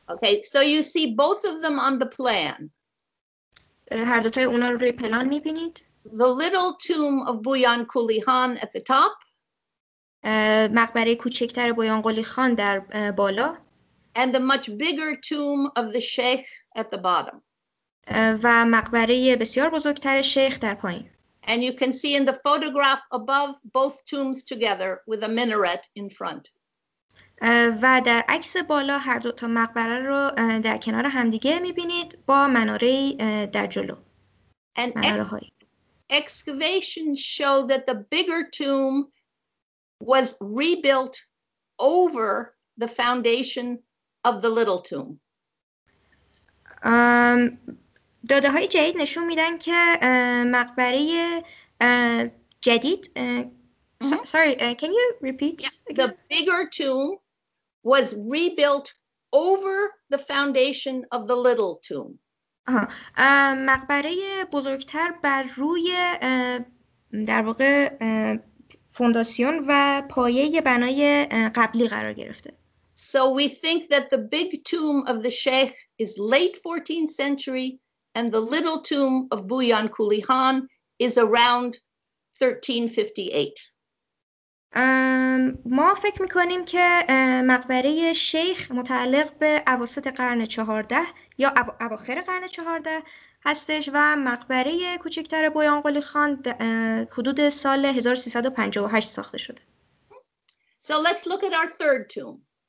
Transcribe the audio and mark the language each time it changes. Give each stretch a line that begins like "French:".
English: Okay, so you see both of them on the plan.
Persian: هر دوتای اونا رو روی پلان میبینید.
English: The little tomb of Buyankuli Khan at the top.
Persian: مقبره کوچکتر بویانکولی خان در بالا.
English: And the much bigger tomb of the sheikh at the bottom.
Persian: و مقبره بسیار بزرگتر شیخ در پایین.
English: And you can see in the photograph above both tombs together with a minaret in front.
Persian: و در عکس بالا هر دو تا مقبره رو در کنار همدیگه میبینید با مناره در جلو.
English: And excavations show that the bigger tomb was rebuilt over the foundation of the little tomb.
Persian: داده های جدید نشون میدن که مقبره جدید
English: can you repeat again? The bigger tomb was rebuilt over the foundation of the little tomb.
Persian: مقبره بزرگتر بر روی در واقع فونداسیون و پایه بنای قبلی قرار گرفته.
English: So we think that the big tomb of the sheikh is late 14th century and the little tomb of Buyankuli Khan is around 1358.
Persian: ما فکر می‌کنیم که مقبره شیخ متعلق به اواسط قرن 14 یا اواخر قرن 14 هستش و مقبره کوچکتر بویانکولی خان حدود سال 1358 ساخته شده.
English: So let's look at our third tomb.